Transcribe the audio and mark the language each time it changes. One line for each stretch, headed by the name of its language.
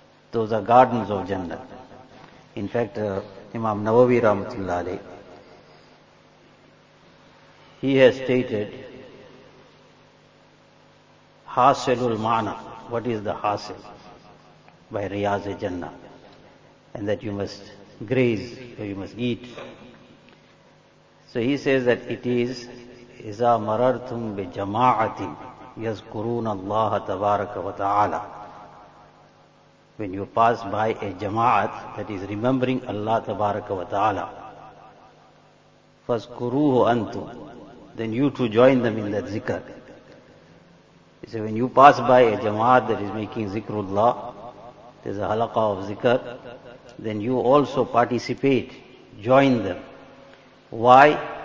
English: Those are gardens of Jannah. In fact, Imam Nawawi rahmatullah alayhi, he has stated, Hasilul Ma'na, what is the hasil by Riyazul Jannah? And that you must graze, or you must eat. So he says that it is
Arabic: إِذَا مَرَرْتُمْ بِجَمَاعَةٍ يَذْكُرُونَ اللَّهَ تَبَارَكَ وَتَعَالَى.
English: When you pass by a jama'at, that is remembering Allah تَبَارَكَ وَتَعَالَى,
Arabic: فَاذْكُرُوهُ أَنْتُمْ,
English: then you too join them in that zikr. He said when you pass by a jama'at that is making zikrullah, there's a halaqah of zikr, then you also participate, join them. Why?